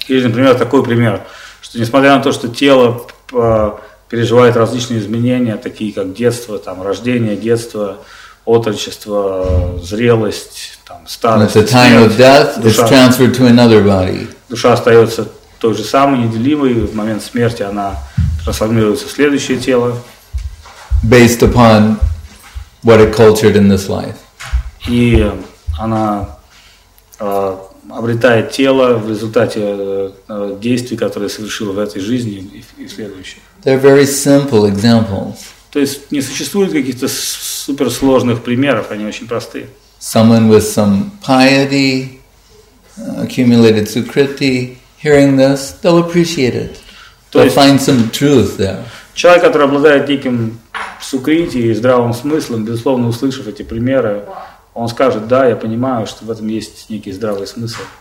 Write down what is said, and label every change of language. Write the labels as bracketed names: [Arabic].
[Russian] Или, например, такой пример, что несмотря на то, что тело переживает различные изменения, такие как детство, там, рождение, детство, отрочество, зрелость, там, старость, [English] the time [Russian] смерть, [English] of death, душа, it's transferred to another body. [Russian] Душа остается той же самой, неделимой, в момент смерти она трансформируется в следующее тело. [English] Based upon what it cultured in this life. [Russian] И она обретает тело в результате действий, которые совершила в этой жизни и следующей. [English] They're very simple examples. [Russian] То есть не существует каких-то суперсложных примеров, они очень простые. [English] Someone with some piety, accumulated sukriti, hearing this, they'll appreciate it. They'll find some truth there. [Russian] Человек, который обладает неким сукрити и здравым смыслом, безусловно, услышав эти примеры, он скажет: да, я понимаю, что в этом есть некий здравый смысл.